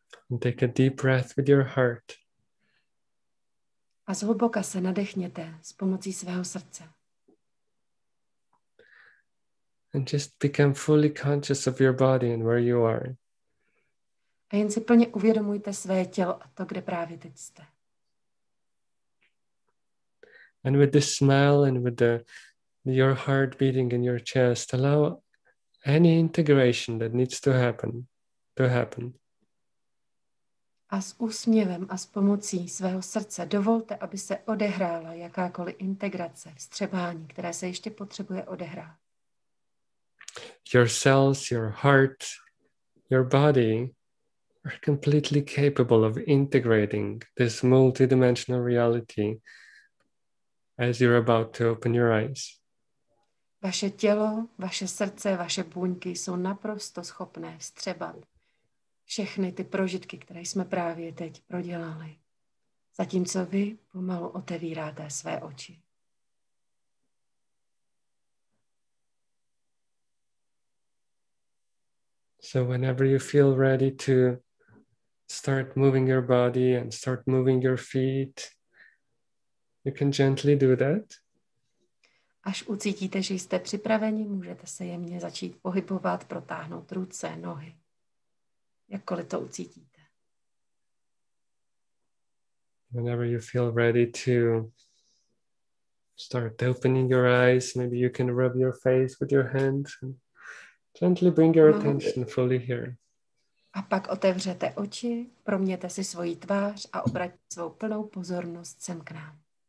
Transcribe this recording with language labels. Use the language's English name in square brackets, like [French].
[English] And take a deep breath with your heart. [Czech] A zhluboka se nadechněte s pomocí svého srdce. [English] And just become fully conscious of your body and where you are. [Czech] A jen si plně uvědomujte své tělo a to, kde právě teď jste. [English] And with this smile and with the your heart beating in your chest, allow any integration that needs to happen to happen. [Czech] A s úsměvem a s pomocí svého srdce dovolte, aby se odehrála jakákoliv integrace, vstřebání, které se ještě potřebuje odehrát. [English] Your cells, your heart, your body are completely capable of integrating this multidimensional reality as you're about to open your eyes. [Czech] Vaše tělo, vaše srdce, vaše buňky jsou naprosto schopné vstřebat všechny ty prožitky, které jsme právě teď prodělali, zatímco vy pomalu otevíráte své oči. [English] So whenever you feel ready to start moving your body and start moving your feet, you can gently do that. [Czech] Až ucítíte, že jste připraveni, můžete se jemně začít pohybovat, protáhnout ruce, nohy. Jakkoliv to ucítíte. [English] Whenever you feel ready to start opening your eyes, maybe you can rub your face with your hands and gently bring your attention fully here. [Czech] A pak otevřete oči, proměte si svoji tvář a obraťte svou plnou pozornost sem k nám.